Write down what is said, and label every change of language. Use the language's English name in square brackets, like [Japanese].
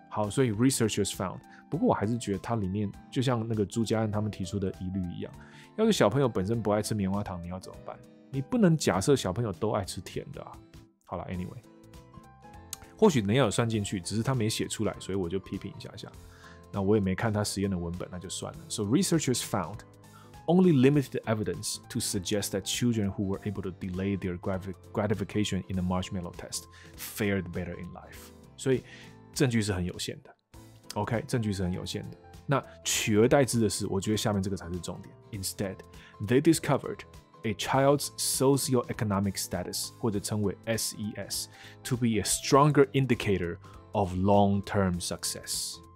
[Chinese] 好，所以 [English] researchers found， [Chinese] 不过我还是觉得它里面就像那个朱家安他们提出的疑虑一样，要是小朋友本身不爱吃棉花糖，你要怎么办？你不能假设小朋友都爱吃甜的啊。好了 ，anyway， 或许能要有算进去，只是他没写出来，所以我就批评一下下。那我也没看他实验的文本，那就算了。 [English] So researchers found only limited evidence to suggest that children who were able to delay their gratification in the marshmallow test fared better in life. [Chinese] 所以证据是很有限的。OK， 证据是很有限的。那取而代之的是，我觉得下面这个才是重点。 [English] Instead, they discovered a child's socioeconomic status, [Chinese] 或者称为 [English] SES, to be a stronger indicator of long-term success.